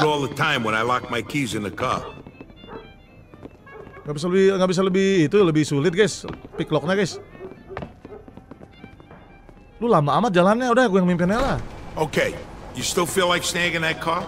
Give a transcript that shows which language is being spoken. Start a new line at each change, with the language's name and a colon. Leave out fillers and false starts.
English: I do it all the time when I lock my keys in the car.
Indonesian: Gak bisa lebih sulit, guys. Pick locknya, guys. Lu lama amat jalannya, udah gue yang mimpinnya lah.
English: Okay, you still feel like snagging that car?